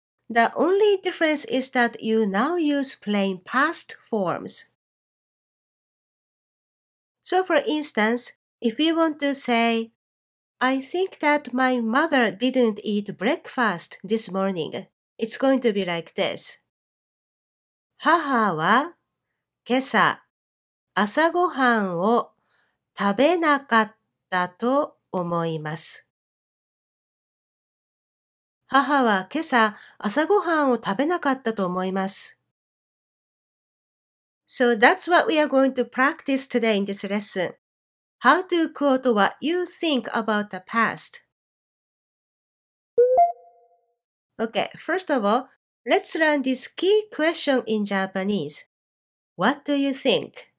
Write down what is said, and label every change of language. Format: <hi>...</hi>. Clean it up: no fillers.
<en>The only difference is that you now use plain past forms. So for instance, if you want to say, I think that my mother didn't eat breakfast this morning, it's going to be like this.</en> <ja>母は今朝朝ごはんを食べなかったと思います。母は今朝朝ごはんを食べなかったと思います。</ja> <en>So that's what we are going to practice today in this lesson. How to quote what you think about the past. Okay, first of all, Let's learn this key question in Japanese. What do you think?</en>